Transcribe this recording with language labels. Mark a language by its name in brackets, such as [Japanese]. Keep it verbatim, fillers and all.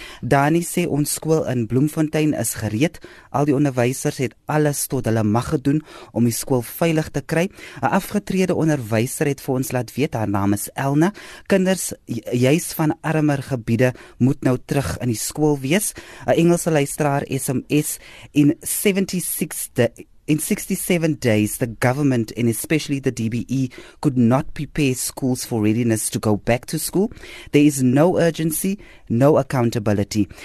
[Afrikaans] Dani sê ons skool in Bloemfontein is gereed. Al die onderwysers het alles tot hulle mag gedoen om die skool veilig te kry. 'n Afgetrede onderwyser het vir ons laat weet, haar naam is Elna. Kinders, juis van armer gebiede, moet nou terug in die skool wees. 'n Engelse luisteraar S M S in [English] seventy-six de- In sixty-seven days, the government and especially the D B E could not prepare schools for readiness to go back to school. There is no urgency, no accountability.